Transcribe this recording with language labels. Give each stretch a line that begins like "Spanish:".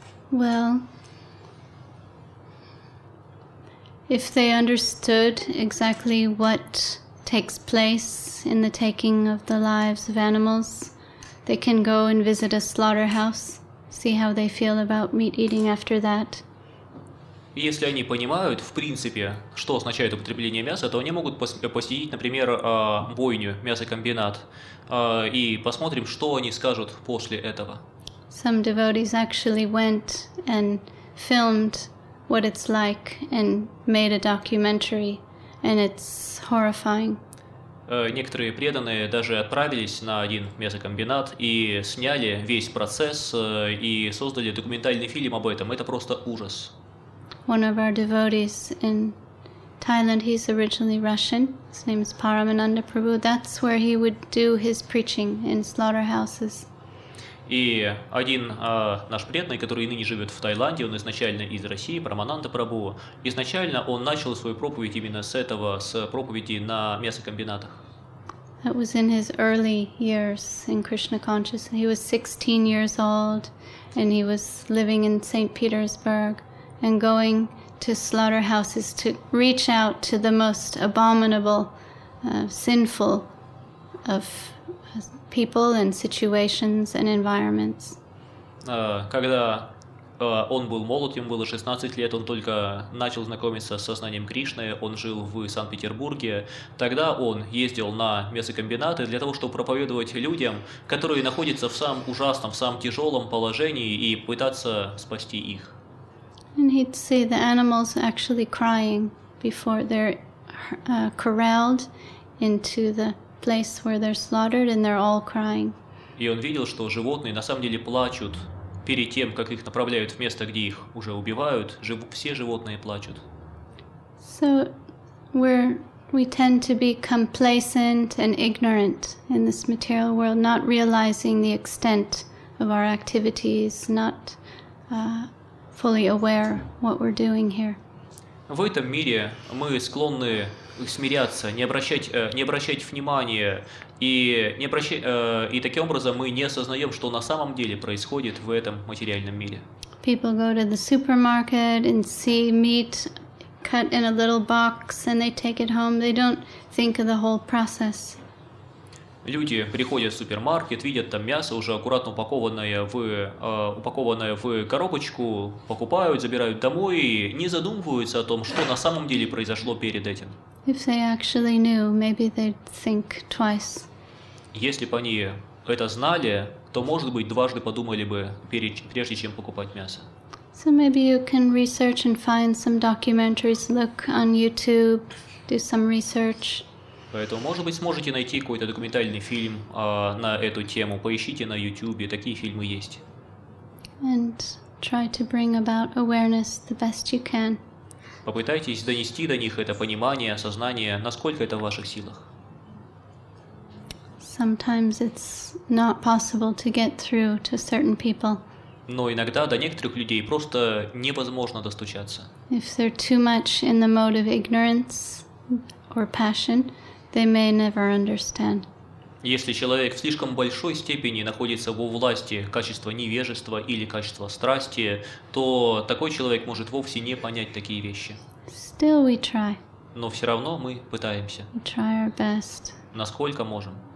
English: Well, if they understood exactly what takes place in the taking of the lives of animals, they can go and visit a slaughterhouse, see how they feel about meat eating after that.
Russian: Если они понимают, в принципе, что означает употребление мяса, то они могут посетить, например, бойню, мясокомбинат, и посмотрим, что они скажут после этого.
English: Some devotees actually went and filmed what it's like and made a documentary, and it's horrifying.
Russian: Некоторые преданные даже отправились на один мясокомбинат и сняли весь процесс и создали документальный фильм об этом. Это просто ужас.
English: One of our devotees in Thailand, he's originally Russian. His name is Paramananda Prabhu. That's where he would do his preaching, in slaughterhouses.
Russian: И один наш преданный, который ныне живет в Таиланде, он изначально из России, Парамананда Прабху. Изначально он начал свою проповедь именно с этого, с проповеди на мясокомбинатах.
English: That was in his early years in Krishna consciousness. He was 16 years old, and he was living in St. Petersburg. And going to slaughterhouses to reach out to the most abominable, sinful of people and situations and environments.
Russian: Когда он был молод, ему было 16 лет, он только начал знакомиться с сознанием Кришны, он жил в Санкт-Петербурге, тогда он ездил на мясокомбинаты для того, чтобы проповедовать людям, которые находятся в самом ужасном, в самом тяжелом положении, и пытаться спасти их.
English: And he'd see the animals actually crying before they're corralled into the place where they're slaughtered, and they're all crying.
Russian: И он видел, что животные на самом деле плачут перед тем, как их направляют в место, где их уже убивают. Все животные плачут.
English: So we tend to be complacent and ignorant in this material world, not realizing the extent of our activities, not fully aware what we're doing here.
Russian: В этом мире мы склонны смиряться, не обращать внимания и таким образом мы не осознаем, что на самом деле происходит в этом материальном мире.
English: People go to the supermarket and see meat cut in a little box and they take it home. They don't think of the whole process.
Russian: Люди приходят в супермаркет, видят там мясо, уже аккуратно упакованное в коробочку, покупают, забирают домой и не задумываются о том, что на самом деле произошло перед этим.
English: If they actually knew, maybe they'd think twice.
Russian: Если бы они это знали, то, может быть, дважды подумали бы, прежде чем покупать мясо.
English: So maybe you can research and find some documentaries, look on YouTube, do some research.
Russian: Поэтому, может быть, сможете найти какой-то документальный фильм на эту тему. Поищите на YouTube, такие фильмы есть.
English: And try to bring about awareness the best you can.
Russian: Попытайтесь донести до них это понимание, осознание, насколько это в ваших силах.
English: Sometimes it's not possible to get through to certain people.
Russian: Но иногда до некоторых людей просто невозможно достучаться.
English: If they're too much in the mode of ignorance or passion, they may never understand.
Russian: Если человек в слишком большой степени находится во власти качества невежества или качества страсти, то такой человек может вовсе не понять такие вещи.
English: Still we try.
Russian: Но все равно мы пытаемся.
English: We try our best.
Russian: Насколько можем.